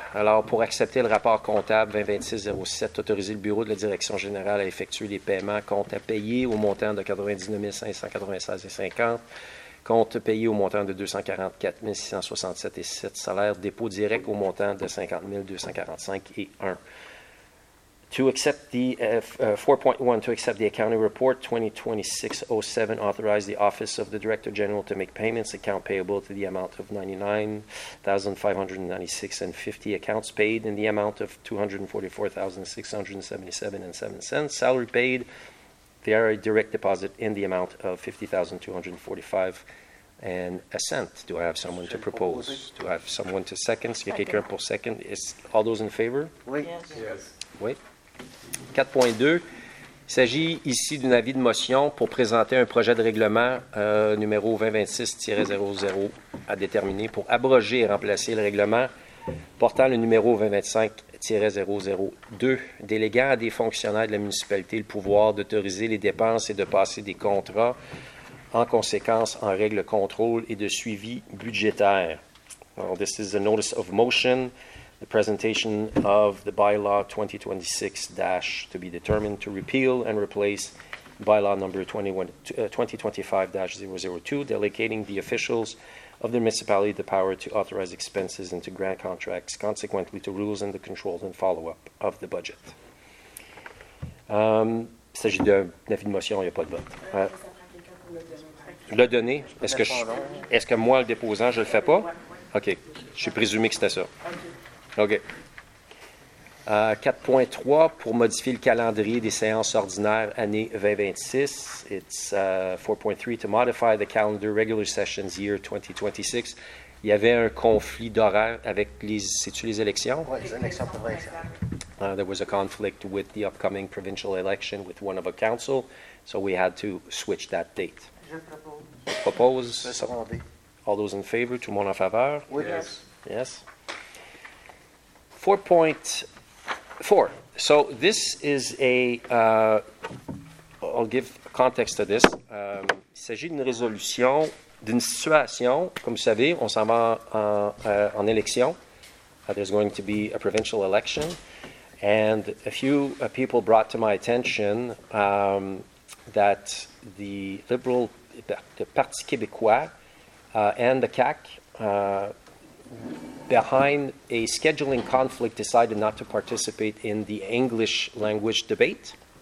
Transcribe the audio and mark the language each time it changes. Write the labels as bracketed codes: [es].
[fr] Alors, pour accepter le rapport comptable 2026-07, autoriser le bureau de la direction générale à effectuer les paiements comptes à payer au montant de 99 596,50, comptes payés au montant de 244 667,7, salaire dépôt direct au montant de 50 245,1. [en] To accept the 4.1, to accept the accounting report 2026-07, authorize the Office of the Director General to make payments, account payable to the amount of $99,596.50, accounts paid in the amount of $244,677.07, salary paid via a direct deposit in the amount of $50,245.01. Do I have someone to propose? Do I have someone to second? [fr] Si quelqu'un pour second, [en] is all those in favor? [fr] Oui. [en] Yes. [fr] Oui. 4.2, il s'agit ici d'un avis de motion pour présenter un projet de règlement numéro 2026-00 à déterminer pour abroger et remplacer le règlement portant le numéro 2025-002, déléguant à des fonctionnaires de la municipalité le pouvoir d'autoriser les dépenses et de passer des contrats en conséquence en règle contrôle et de suivi budgétaire. [en] Alors, this is a notice of motion. The presentation of the bylaw 2026-, to be determined to repeal and replace bylaw number 2025-002, delegating the officials of the municipality the power to authorize expenses and to grant contracts, consequently to rules and the controls and follow-up of the budget. [fr] Il s'agit d'un avis de motion, il n'y a pas de vote. Le donner, est-ce que moi, le déposant, je ne le fais pas? OK, je suis présumé que c'était ça. OK. 4.3, pour modifier le calendrier des séances ordinaires année 2026. [en] It's 4.3, to modify the calendar regular sessions year 2026. [fr] Il y avait un conflit d'horaire avec les... C'est-tu les élections? Oui, les élections provinciales. [en] There was a conflict with the upcoming provincial election with one of a council, so we had to switch that date. [fr] Je propose. [en] All those in favor? [fr] Tout le monde en faveur? Oui. [en] Yes. Yes. 4.4. So this is a, I'll give context to this. [fr] Il s'agit d'une résolution, d'une situation, comme vous savez, on s'en va en élection. [en] There's going to be a provincial election. And a few people brought to my attention that the Liberal, the Parti Québécois and the CAQ, behind a scheduling conflict, decided not to participate in the English language debate.